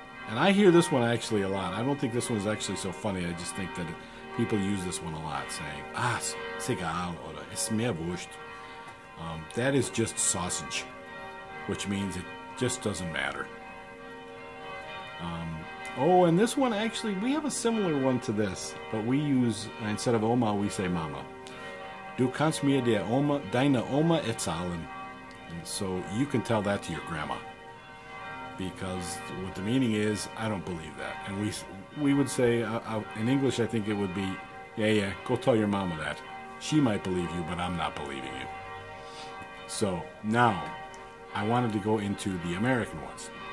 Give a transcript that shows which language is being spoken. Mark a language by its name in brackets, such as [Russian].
[English] And I hear this one actually a lot. I don't think this one's actually so funny. I just think that people use this one a lot, saying, [German] ah, ist egal, oder ist mir wurscht. [English] That is just sausage, which means it just doesn't matter. And this one, actually, we have a similar one to this, but we use, instead of Oma, we say Mama. [German] Du kannst mir der Oma, deine Oma erzählen. [English] And so you can tell that to your grandma, because what the meaning is, I don't believe that. And we would say, in English, I think it would be, yeah, yeah, go tell your mama that. She might believe you, but I'm not believing you. So now I wanted to go into the American ones.